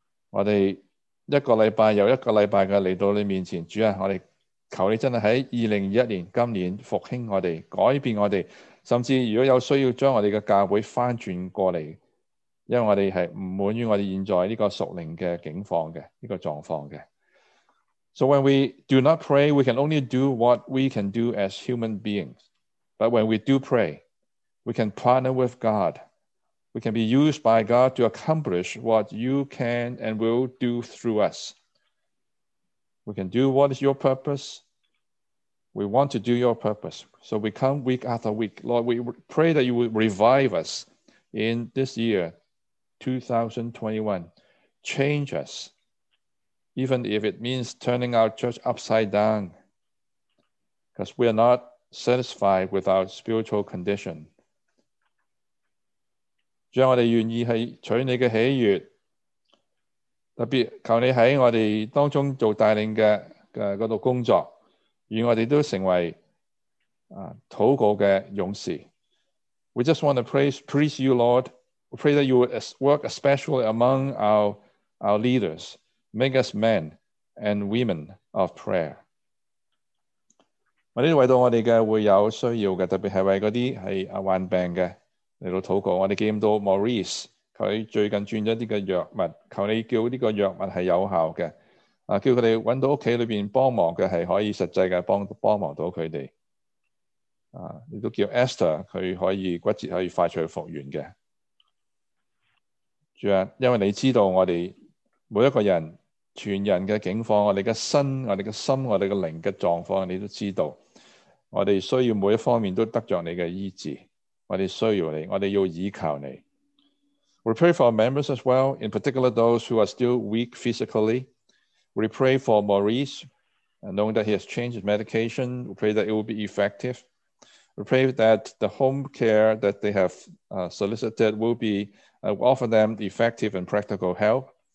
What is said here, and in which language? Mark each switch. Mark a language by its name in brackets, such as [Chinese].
[Chinese] 我们一个礼拜又一个礼拜的来到你面前，主啊，我们求你真的在2021年今年复兴我们，改变我们，甚至如果有需要将我们的教会翻转过来，因为我们是不满于我们现在这个属灵的境况的这个状况的。 [English] So when we do not pray, we can only do what we can do as human beings. But when we do pray, we can partner with GodWe can be used by God to accomplish what you can and will do through us. We can do what is your purpose. We want to do your purpose. So we come week after week. Lord, we pray that you will revive us in this year, 2021. Change us, even if it means turning our church upside down, because we are not satisfied with our spiritual condition. [Chinese] 主，我们愿意是取你的喜悦，特别求你在我们当中做带领 的那里工作，与我们都成为祷告的勇士。 [English] We just want to praise you, Lord. We pray that you would work especially among our leaders. Make us men and women of prayer. [Chinese] 我们为到我们的会有需要的，特别是为那些是患病的来到祷告。我们见到 Maurice， 他最近转了一些药物，求你叫这个药物是有效的，叫他们找到家里面帮忙的，是可以实际的 帮忙到他们。你都叫 Esther， 他可以骨折可以快速复原的。主啊，因为你知道我们每一个人全人的境况，我们的身，我们的心，我们的灵的状况，你都知道我们需要每一方面都得着你的医治。我们需要你，我们要依靠你。 [English] We pray for our members as well, in particular those who are still weak physically. We pray for Maurice, knowing that he has changed his medication. We pray that it will be effective. We pray that the home care that they have solicited will be offer them the effective and practical help.